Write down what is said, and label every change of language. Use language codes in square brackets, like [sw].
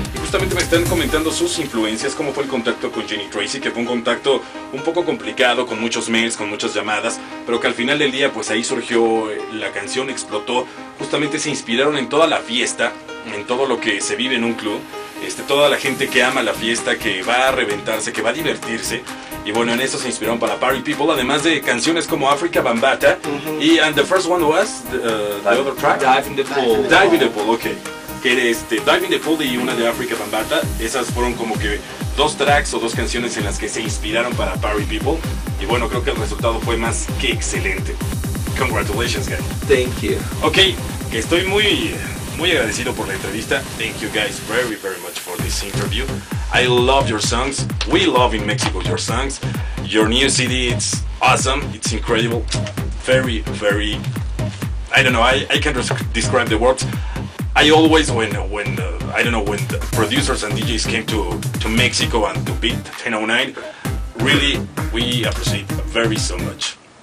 [es] Y justamente me están comentando sus influencias, cómo fue el contacto con Jeannie Tracy, que fue un contacto un poco complicado, con muchos mails, con muchas llamadas, pero que al final del día, pues ahí surgió la canción, explotó, justamente se inspiraron en toda la fiesta, en todo lo que se vive en un club, toda la gente que ama la fiesta, que va a reventarse, que va a divertirse. Y bueno, en eso se inspiraron para Party People, además de canciones como Africa Bambaataa. [en] Y and the first one was the other track, Dive in the Pool, [es] okay. Que Dive in the Pool y una de Africa Bambaataa, esas fueron como que dos tracks o dos canciones en las que se inspiraron para Party People. Y bueno, creo que el resultado fue más que excelente. [en] Congratulations, guys. Thank you. [es] Okay, que estoy muy agradecido por la entrevista. [en] Thank you guys very very much for this interview. I love your songs. We love in Mexico your songs. Your new CD, it's awesome. It's incredible. Very, very, I don't know, I can't describe the words. I always, when the producers and DJs came to Mexico and to beat 1009, really, we appreciate very so much.